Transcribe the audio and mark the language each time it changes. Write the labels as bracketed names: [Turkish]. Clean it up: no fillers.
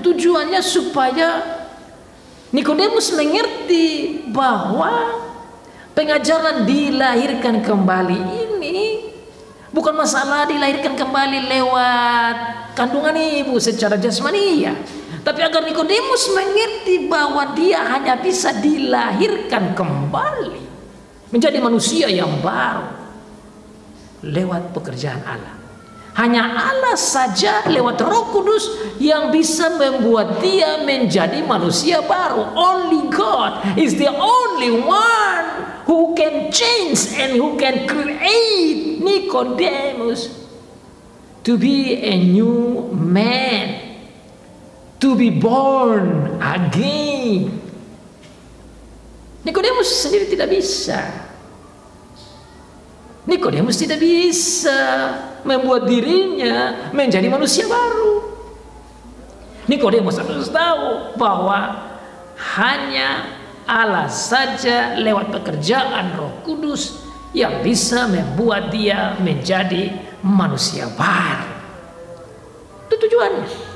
[Indonesian] Tujuannya supaya Nikodemus mengerti bahwa pengajaran dilahirkan kembali ini bukan masalah dilahirkan kembali lewat kandungan ibu secara jasmania, tapi agar Nikodemus mengerti bahwa dia hanya bisa dilahirkan kembali menjadi manusia yang baru lewat pekerjaan Allah. Hanya Allah saja lewat Roh Kudus yang bisa membuat dia menjadi manusia baru. [English] Only God is the only one who can change and who can create Nicodemus to be a new man, to be born again. [Indonesian] Nicodemus sendiri tidak bisa. Nikodemus tidak bisa membuat dirinya menjadi manusia baru. Nikodemus harus tahu bahwa hanya Allah saja lewat pekerjaan Roh Kudus yang bisa membuat dia menjadi manusia baru. Itu tujuannya.